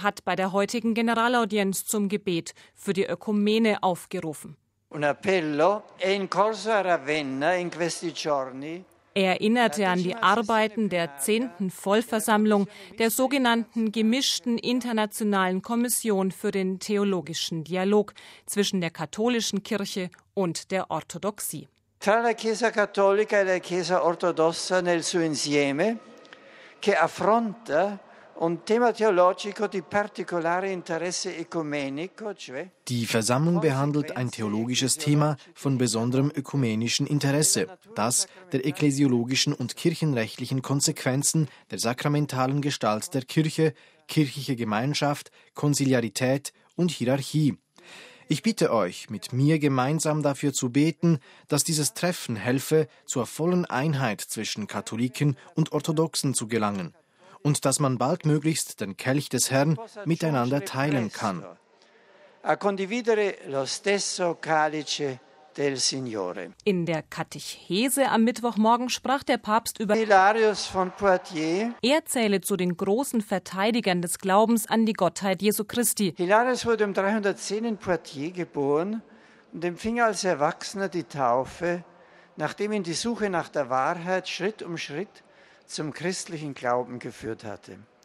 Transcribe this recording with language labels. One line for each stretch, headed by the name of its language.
German: Hat bei der heutigen Generalaudienz zum Gebet für die Ökumene aufgerufen.
Italian: Un appello è in corso a Ravenna in questi giorni.
German: Er erinnerte an die Arbeiten der 10. Vollversammlung der sogenannten gemischten internationalen Kommission für den theologischen Dialog zwischen der katholischen Kirche und der Orthodoxie.
Italian: Tra la Chiesa cattolica e la Chiesa ortodossa nel suo insieme, che affronta un tema teologico di particolare interesse ecumenico, cioè.
German: Die Versammlung behandelt ein theologisches Thema von besonderem ökumenischen Interesse, das der ekklesiologischen und kirchenrechtlichen Konsequenzen der sakramentalen Gestalt der Kirche, kirchliche Gemeinschaft, Konsiliarität und Hierarchie. Ich bitte euch, mit mir gemeinsam dafür zu beten, dass dieses Treffen helfe, zur vollen Einheit zwischen Katholiken und Orthodoxen zu gelangen und dass man baldmöglichst den Kelch des Herrn miteinander teilen kann.
Italian: A condividere lo stesso calice del Signore.
German: In der Katechese am Mittwochmorgen sprach der Papst über Hilarius von Poitiers. Er zähle zu den großen Verteidigern des Glaubens an die Gottheit Jesu Christi. Hilarius wurde um 310 in Poitiers geboren und empfing als Erwachsener die Taufe, nachdem ihn die Suche nach der Wahrheit Schritt um Schritt zum christlichen Glauben geführt hatte.